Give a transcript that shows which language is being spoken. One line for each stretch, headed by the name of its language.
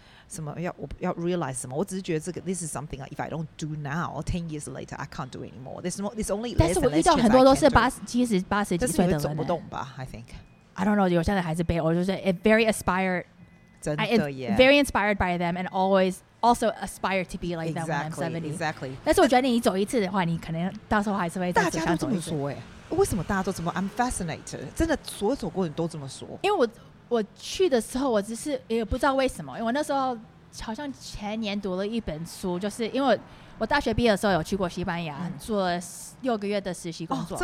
Chinese: 什么要 realize 什么？我只是觉得这个
English: this is something like if I don't do now, 10 years later I can't do anymore. This only.
Chinese: 但是我遇到很多都是七十几岁的人。但是你走不动吧 ？
English: I think. I don't know.
Chinese: 有些人还是背，我就是
English: very inspired.
Chinese: 真的耶。
English: Very inspired by them and always also aspire to be like them when I'm 70. Exactly.
Chinese: 但是我觉得你走一次的话，你可能到时候还是会再想走一次。大家都这么说哎，为什么大家都这么
English: I'm fascinated.
Chinese: 真的，所有走过的人都这么说。因为我去的时候，我只是也不知道为什么，因为我那时候好像前年读了一本书，就是因为 我大学毕业的时候有去过西班牙、做了六个月的实习工作、